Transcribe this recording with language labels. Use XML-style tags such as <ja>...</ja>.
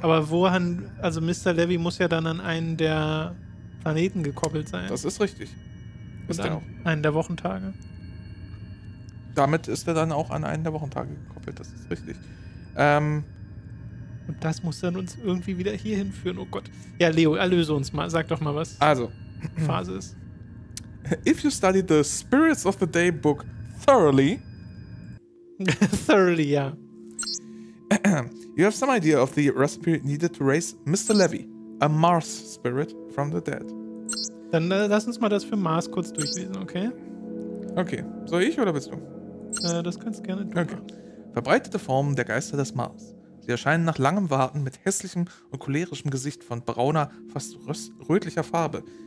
<de>Aber woran, also Mr. Levy muss ja dann an einen der Planeten gekoppelt sein. Das ist richtig. Ist der auch. Einen der Wochentage. Damit ist er dann auch an einen der Wochentage gekoppelt, das ist richtig. Und das muss dann uns irgendwie wieder hier hinführen, oh Gott. Ja, Leo, erlöse uns mal, sag doch mal was. Also. Phase ist.</de> <en>If you study the Spirits of the Day book thoroughly.</en> <de>Thoroughly, ja.</de> <en>You have some idea of the recipe needed to raise Mr. Levy, a Mars spirit from the dead.</en> <de>Dann lass uns mal das für Mars kurz durchlesen, okay? Okay, soll ich oder willst du? Das kannst gerne du. Okay. Verbreitete Formen der Geister des Mars. Sie erscheinen nach langem Warten mit hässlichem und cholerischem Gesicht von brauner, fast rötlicher Farbe.</de>